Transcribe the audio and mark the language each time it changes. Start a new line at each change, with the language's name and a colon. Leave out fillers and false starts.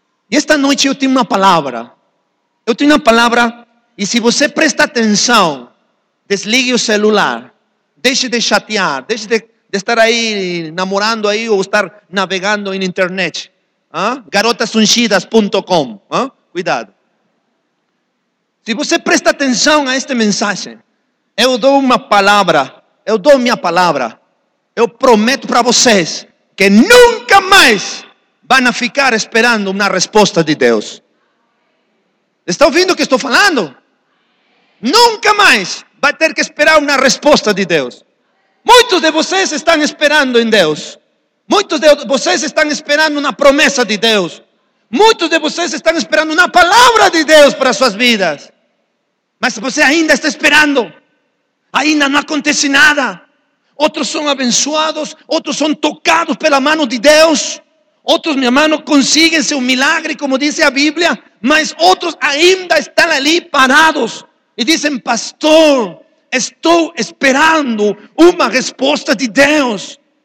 Portuguese: E esta noite eu tenho uma palavra. Eu tenho uma palavra, e se você presta atenção, desligue o celular, deixe de chatear, deixe de estar aí namorando aí ou estar navegando na internet. Garotasunchidas.com. Cuidado. Se você presta atenção a esta mensagem, eu dou uma palavra, eu dou minha palavra, eu prometo para vocês que nunca mais
Spanish: van a ficar esperando una respuesta de Dios. ¿Está oyendo que estoy hablando? Nunca más va a tener que esperar una respuesta de Dios. Muchos de ustedes están esperando en Dios. Muchos de ustedes están esperando una promesa de Dios. Muchos de ustedes están esperando una palabra de Dios para sus vidas.
Portuguese: Mas você ainda está esperando. Ainda não acontece nada. Outros são abençoados. Outros são tocados pela mão de Deus. Outros, meu irmão, conseguem seu milagre, como diz a Bíblia. Mas outros ainda estão ali parados. E dizem, pastor, estou esperando uma resposta de Deus.